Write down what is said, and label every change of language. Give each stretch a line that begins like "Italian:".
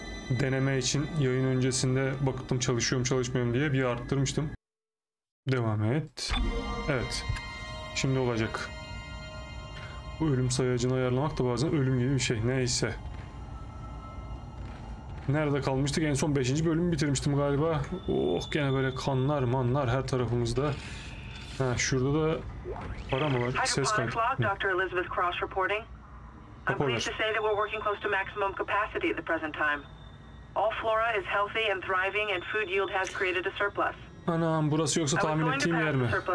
Turkish: Deneme için yayın öncesinde baktım çalışıyorum çalışmıyorum diye bir arttırmıştım. Devam et. Evet. Şimdi olacak. Bu ölüm sayacını ayarlamak da bazen ölüm gibi bir şey. Neyse. Nerede kalmıştık? En son 5. bölümü bitirmiştim galiba. Oh, gene böyle kanlar manlar her tarafımızda. Ha, şurada da para mı var? Ses kaydı. Dr.
English: Elizabeth Cross reporting. I'm pleased to say that we're working close to maximum capacity at the present time. All flora is healthy and thriving and food yield has created a surplus.
Turkish: Anam, burası yoksa tahmin ettiğim yer mi?